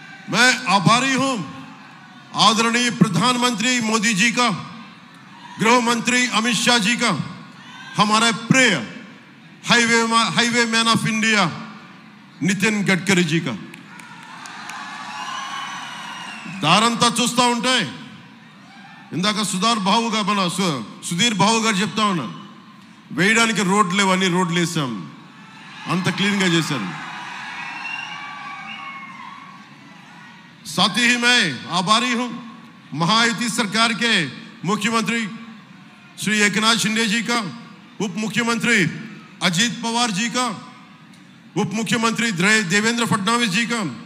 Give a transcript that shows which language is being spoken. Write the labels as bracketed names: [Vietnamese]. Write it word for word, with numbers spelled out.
[Hindi] मैं आभारी हूं आदरणीय प्रधानमंत्री मोदी जी का, गृह मंत्री अमित शाह जी का, हमारे प्रिय highway highway man of India Nitin Gadkari ji का. [Telugu] దారంతా చూస్తూ ఉంటే ఇందాక సుధార్ బాబు గారు, మన సుధీర్ బాబు గారు చెప్తా ఉన్నారు, వేయడానికి రోడ్లు లేవు, అన్ని రోడ్లు వేసాం, అంత క్లీన్గా చేశారు. [Hindi] साथ ही मैं आभारी हूँ महायुति सरकार के मुख्यमंत्री श्री एकनाथ शिंदे जी का, उप मुख्यमंत्री अजीत पवार जी का, उप मुख्यमंत्री देवेंद्र फडणवीस जी का.